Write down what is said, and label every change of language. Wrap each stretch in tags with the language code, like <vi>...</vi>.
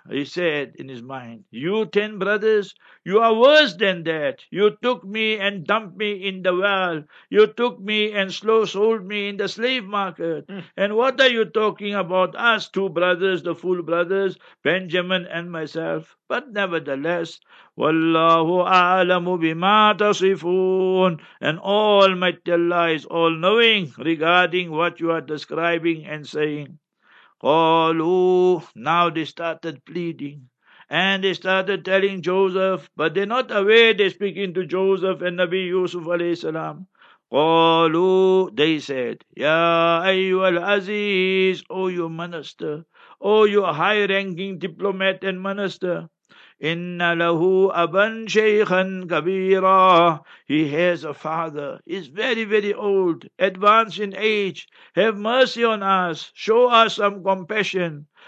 <en>He said in his mind, you 10 brothers, you are worse than that. You took me and dumped me in the well. You took me and sold me in the slave market. And what are you talking about, us 2 brothers, the full brothers, Benjamin and myself?</en> <ar>But nevertheless, وَاللَّهُ أَعْلَمُ بِمَا تَصِفُونَ.</ar> <en>And Almighty Allah is all-knowing regarding what you are describing and saying.</en> <ar>قَالُوا.</ar> <en>Now they started pleading. And they started telling Joseph, but they're not aware they're speaking to Joseph and Nabi Yusuf alayhi salam.</en> <ar>قَالُوا.</ar> <en>They said, يَا أَيُّهَا الْعَزِيزِ. O you minister, O you high-ranking diplomat and minister.</en> <ar>إِنَّ لَهُ أَبًا شَيْخًا كَبِيرًا.</ar> <en>He has a father. He's very, very old, advanced in age. Have mercy on us. Show us some compassion.</en>